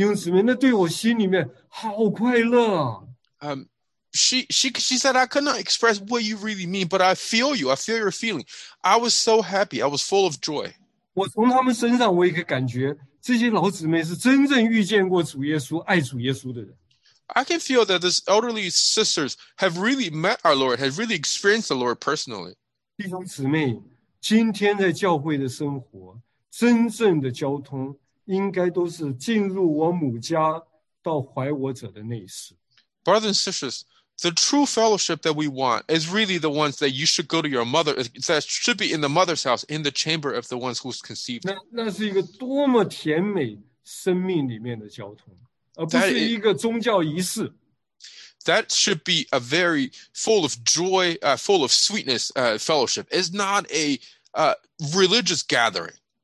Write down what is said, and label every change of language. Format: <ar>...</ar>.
<zh>她说我也说不出来，但是你爱主那感觉我完全了解。弟兄姊妹，那对我心里面好快乐。</zh> <en>She said, I cannot express what you really mean, but I feel you. I feel your feeling. I was so happy. I was full of joy.</en> <zh>我从他们身上我也可以感觉，这些老姊妹是真正遇见过主耶稣、爱主耶稣的人。</zh> <en>I can feel that these elderly sisters have really met our Lord, have really experienced the Lord personally.</en> <zh>弟兄姊妹，今天在教会的生活，真正的交通应该都是进入我母家到怀我者的那一世。</zh> <en>Brothers and sisters, the true fellowship that we want is really the ones that you should go to your mother, that should be in the mother's house, in the chamber of the ones who's conceived.</en> <zh>那是一个多么甜美生命里面的交通。而不是一个宗教仪式。</zh> <en>That should be a very full of joy, full of sweetness fellowship. It's not a religious gathering.</en>